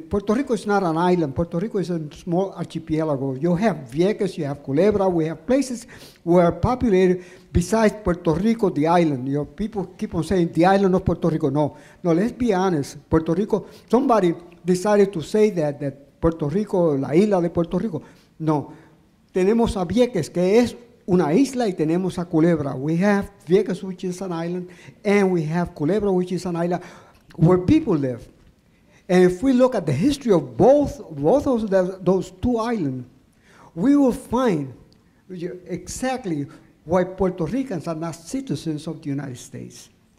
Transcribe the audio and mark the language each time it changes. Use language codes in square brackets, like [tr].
[en] Puerto Rico is not an island. Puerto Rico is a small archipelago. You have Vieques, you have Culebra. We have places where populated besides Puerto Rico, the island. People keep on saying the island of Puerto Rico. No, let's be honest. Puerto Rico, somebody decided to say that [es] Puerto Rico, la isla de Puerto Rico. No, tenemos a Vieques, que es una isla, y tenemos a Culebra. [en] We have Vieques, which is an island, and we have Culebra, which is an island where people live. And if we look at the history of both of those two islands, we will find exactly why Puerto Ricans are not citizens of the United States.